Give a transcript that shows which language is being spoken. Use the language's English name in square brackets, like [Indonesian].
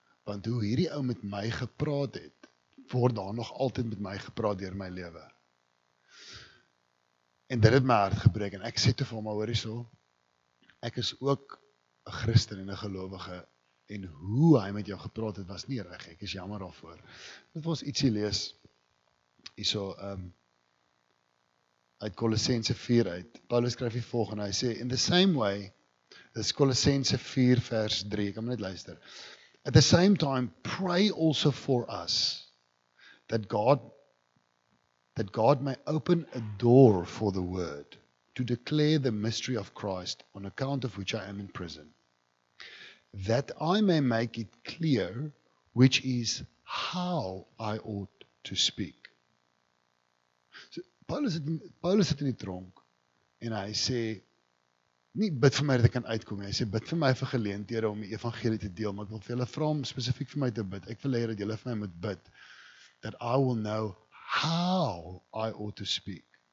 [Afrikaans] Want hoe hierdie ou met my gepraat het, word daar nog altyd met my gepraat deur my lewe. En dit het my hart gebreek en ek sê toe vir hom, maar hoor hierso, ek is ook 'n Christen en 'n gelowige en hoe hy met jou gepraat het was nie reg, ek is jammer daarvoor. Dit was ietsie lees hierso uit Kolossense 4 uit. Paulus skryf die volgende, hy sê [English] in the same way [Afrikaans] dis Kolossense 4 vers 3, ek moet net luister. [English] At the same time, pray also for us, that God that God may open a door for the word to declare the mystery of Christ, on account of which I am in prison, that I may make it clear which is how I ought to speak. [Afrikaans] So Paulus sit in die tronk en hy sê, nie bid vir my dat ek kan uitkom, hy sê, bid vir my vir geleenthede om die evangelie te deel, maar ek wil vir julle vra om spesifiek vir my te bid. Ek wil hê dat julle vir my moet bid, [English] that I will know how I ought to speak.